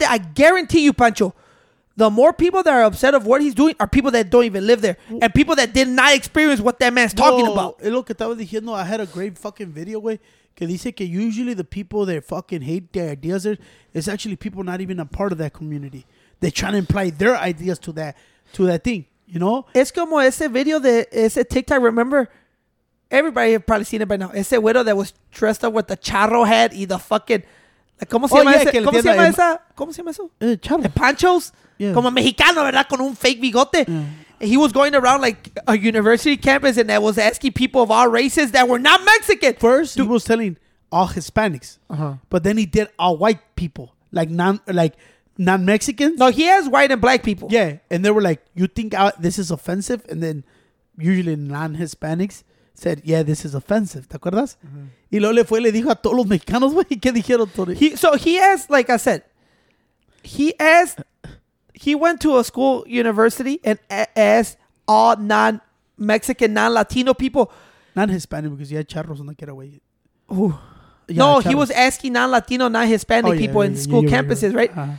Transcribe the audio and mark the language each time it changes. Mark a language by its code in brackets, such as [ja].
[en] That I guarantee you, Pancho, the more people that are upset of what he's doing are people that don't even live there and people that did not experience what that man's talking about. [es] Lo que estaba diciendo, [en] I had a great fucking video, güey, [es] que dice que [en] usually the people that fucking hate their ideas is actually people not even a part of that community. They're trying to imply their ideas to that thing, you know? [es] Es como ese video de ese TikTok, remember? [en] Everybody have probably seen it by now. Ese widow that was dressed up with the charro hat y the fucking... [es] ¿Cómo se llama ese? ¿Cómo se llama esa? ¿Cómo se llama eso? Charro. ¿De panchos? [en] Yeah. [es] Como mexicano, ¿verdad? Con un fake bigote. Yeah. [en] And he was going around like a university campus and that was asking people of all races that were not Mexican. First, he was telling all Hispanics. But then he did all white people. Like non-Mexicans. No, he has white and black people. Yeah. And they were like, you think this is offensive? And then usually non-Hispanics said, yeah, this is offensive. [es] ¿Te acuerdas? Y luego le fue y le dijo a todos los mexicanos, güey, ¿qué dijeron todos? [en] So he has, like I said, he has... He went to a school, university, and asked all non-Mexican, non-Latino people. Non-Hispanic, because he had charros on the getaway. Yeah, no, charros. He was asking non-Latino, non-Hispanic people in school campuses, right?